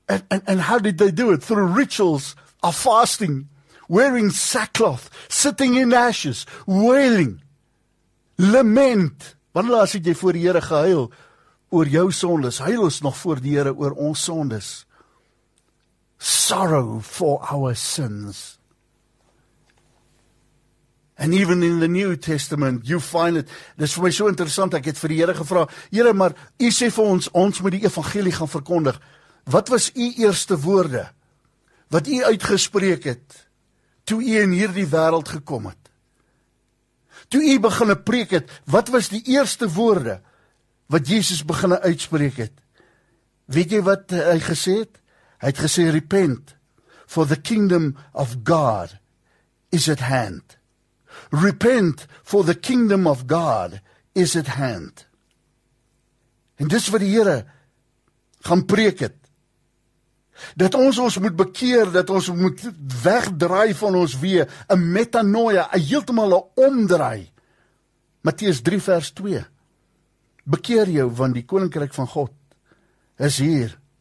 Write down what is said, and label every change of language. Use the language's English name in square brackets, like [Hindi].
[English] And how did they do it? Through rituals of fasting, wearing sackcloth, sitting in ashes, wailing, lament. [Afrikaans] Wanneer laat het jy voor die Here gehuil oor jou sondes? Huil ons nog voor die Here oor ons sondes. [English] Sorrow for our sins. And even in the New Testament, you find it. [Afrikaans] Dis vir my so interessant, ek het vir die Here gevra, Here, maar u sê vir ons, ons moet die evangelie gaan verkondig. Wat was u eerste woorde, wat u uitgespreek het, toe u in hierdie wêreld gekom het? Toe u beginne preek het, wat was die eerste woorde, wat Jesus beginne uitspreek het? Weet jy wat hy gesê het? Hy het gesê, [English] repent, for the kingdom of God is at hand. Repent, for the kingdom of God is at hand. [Afrikaans] En dis wat die Here gaan preek het. Dat ons moet bekeer, dat ons moet wegdraai van ons weer, 'n metanoia, 'n heeltemal 'n omdraai. Matteus 3 vers 2. Bekeer jou, want die koninkryk van God is hier.